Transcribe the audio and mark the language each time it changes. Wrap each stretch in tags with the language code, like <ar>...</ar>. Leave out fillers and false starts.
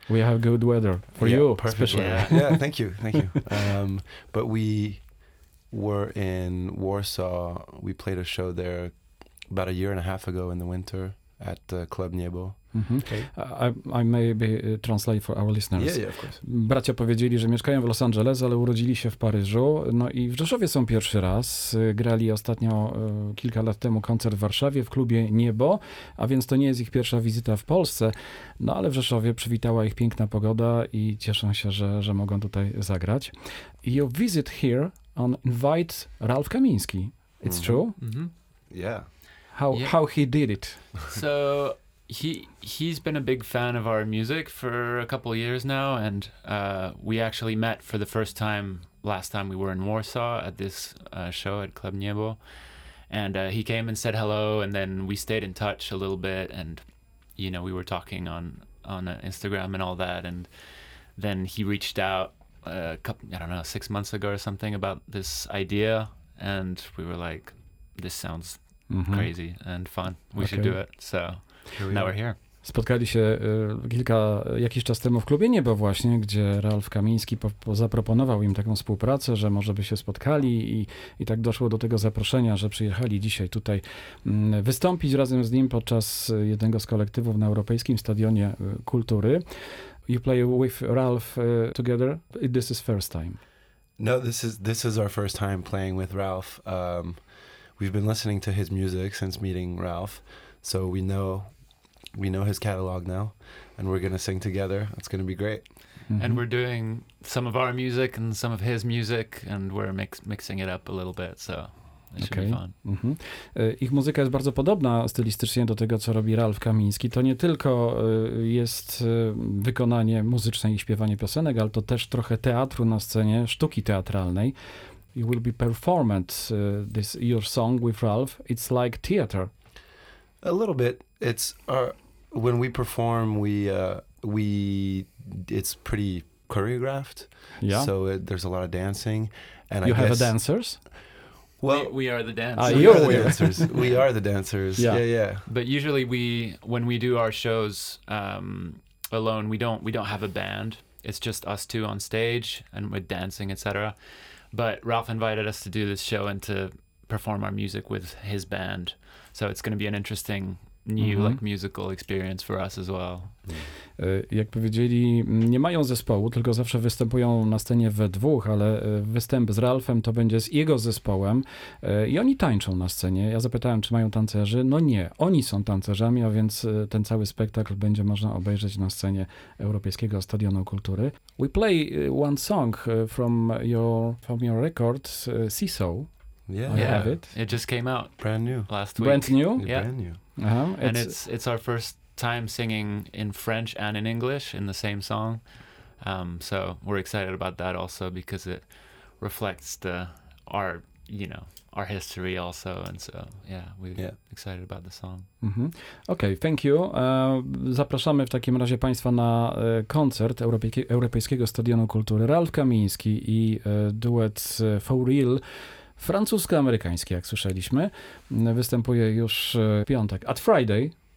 <en>We have good weather for you. Perfect. Especially. Yeah, thank you. Thank you. But we were in Warsaw. We played a show there about a year and a half ago in the winter at Club Niebo. Mm-hmm. Okay. I maybe translate for our listeners. Yeah, of course.</en> <pl>Bracia powiedzieli, że mieszkają w Los Angeles, ale urodzili się w Paryżu. No i w Rzeszowie są pierwszy raz. Grali ostatnio kilka lat temu koncert w Warszawie w klubie Niebo, a więc to nie jest ich pierwsza wizyta w Polsce. No ale w Rzeszowie przywitała ich piękna pogoda i cieszą się, że mogą tutaj zagrać.</pl> <en>Your visit here on invite Ralph Kamiński. It's mm-hmm. true? Mm-hmm. Yeah. How he did it? So... He's been a big fan of our music for a couple of years now, and we actually met for the first time last time we were in Warsaw at this show at Club Niebo, and he came and said hello, and then we stayed in touch a little bit, and you know, we were talking on Instagram and all that, and then he reached out a couple, I don't know, 6 months ago or something about this idea, and we were like, this sounds mm-hmm. crazy and fun, we okay. should do it, so... Now we're here.</en> <pl>Spotkali się jakiś czas temu w klubie Niebo właśnie, gdzie Ralph Kamiński zaproponował im taką współpracę, że może by się spotkali i tak doszło do tego zaproszenia, że przyjechali dzisiaj tutaj wystąpić razem z nim podczas jednego z kolektywów na Europejskim Stadionie Kultury.</pl> <en>You play with Ralph together? This is first time. No, this is our first time playing with Ralph. We've been listening to his music since meeting Ralph. So we know his catalog now, and we're gonna sing together. It's gonna be great. Mm-hmm. And we're doing some of our music and some of his music, and we're mixing it up a little bit, so. Okay. Mm-hmm.</en> <pl>Ich muzyka jest bardzo podobna stylistycznie do tego, co robi Ralph Kamiński. To nie tylko jest wykonanie muzyczne i śpiewanie piosenek, ale to też trochę teatru na scenie, sztuki teatralnej.</pl> <en>You will be performing this your song with Ralph. It's like theater. A little bit. It's our when we perform, we it's pretty choreographed. Yeah. So there's a lot of dancing, and you I have guess, the dancers. Well, we are the dancers. You are the dancers. We are the dancers. Yeah. But usually, when we do our shows alone, we don't have a band. It's just us two on stage, and we're dancing, etc. But Ralph invited us to do this show and to perform our music with his band. So it's going to be an interesting new mm-hmm. like musical experience for us as well.</en> <pl>Jak powiedzieli, nie mają zespołu, tylko zawsze występują na scenie we dwóch, ale występ z Ralphem to będzie z jego zespołem i oni tańczą na scenie. Ja zapytałem, czy mają tancerzy. No nie, oni są tancerzami, a więc ten cały spektakl będzie można obejrzeć na scenie Europejskiego Stadionu Kultury.</pl> <en>We play one song from your record, Seesaw. Yeah, I have it. It just came out brand new last week. Brand new, yeah, brand new. Uh-huh. And it's our first time singing in French and in English in the same song, so we're excited about that also because it reflects the our you know our history also, and so yeah, we're excited about the song. Mm-hmm. Okay, thank you.</en> <pl>Zapraszamy w takim razie Państwa na koncert Europejskiego Stadionu Kultury. Ralph Kamiński i duet For Real. Francusko-amerykański, jak słyszeliśmy, występuje już w piątek.</pl> <en>At Friday,</en>